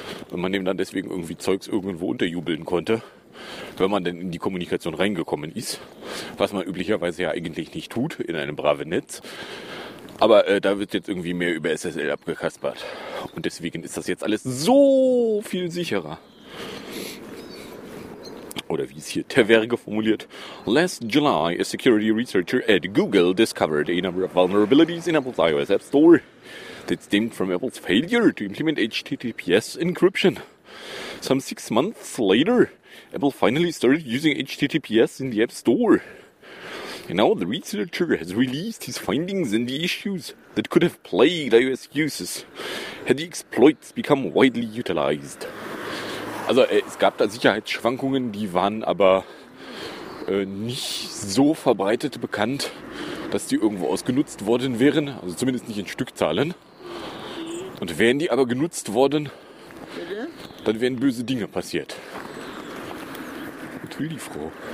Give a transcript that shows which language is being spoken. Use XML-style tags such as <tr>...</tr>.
<de>Und man dem dann deswegen irgendwie Zeugs irgendwo unterjubeln konnte, wenn man denn in die Kommunikation reingekommen ist. Was man üblicherweise ja eigentlich nicht tut in einem braven Netz. Aber da wird jetzt irgendwie mehr über SSL abgekaspert. Und deswegen ist das jetzt alles so viel sicherer. Oder wie es hier Terverge formuliert.</de> <en>Last July, a security researcher at Google discovered a number of vulnerabilities in Apple's iOS App Store that stemmed from Apple's failure to implement HTTPS encryption. Some 6 months later, Apple finally started using HTTPS in the App Store. Now the researcher has released his findings and the issues that could have plagued iOS users had the exploits become widely utilized.</en> <de>Also, es gab da Sicherheitsschwankungen, die waren aber nicht so verbreitet bekannt, dass die irgendwo ausgenutzt worden wären, also zumindest nicht in Stückzahlen. Und wären die aber genutzt worden, dann wären böse Dinge passiert. Natürlich froh.</de>